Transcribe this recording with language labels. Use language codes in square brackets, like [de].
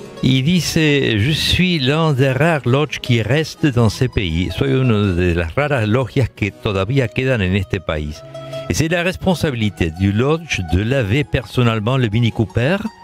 [es] Y dice, [fr] je suis l'un des rares loges qui reste dans ce pays. [es] Soy una de las raras logias que todavía quedan en este país. [fr] C'est la responsabilité du lodge de laver personnellement le Mini Cooper.